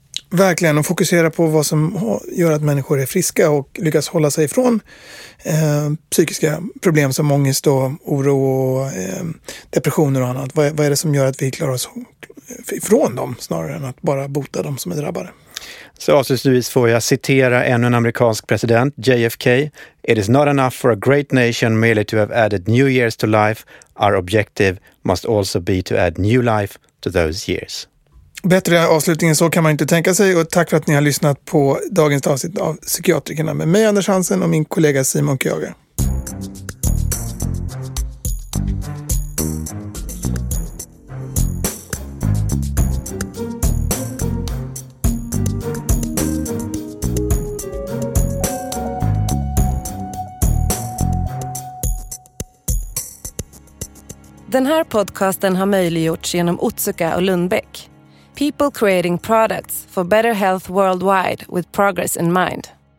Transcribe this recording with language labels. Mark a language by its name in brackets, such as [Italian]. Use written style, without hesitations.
[Swedish] Verkligen, och fokusera på vad som gör att människor är friska och lyckas hålla sig ifrån psykiska problem som ångest och oro och depressioner och annat. Vad är det som gör att vi klarar oss ifrån dem snarare än att bara bota dem som är drabbade? Så avslutningsvis får jag citera ännu en amerikansk president, JFK. [English] It is not enough for a great nation merely to have added new years to life. Our objective must also be to add new life to those years. [Swedish] Bättre avslutning än så kan man inte tänka sig, och tack för att ni har lyssnat på dagens avsnitt av Psykiatrikerna med mig Anders Hansen och min kollega Simon Kjager. Den här podcasten har möjliggjorts genom Otsuka och Lundbeck. [English] people creating products for better health worldwide with progress in mind.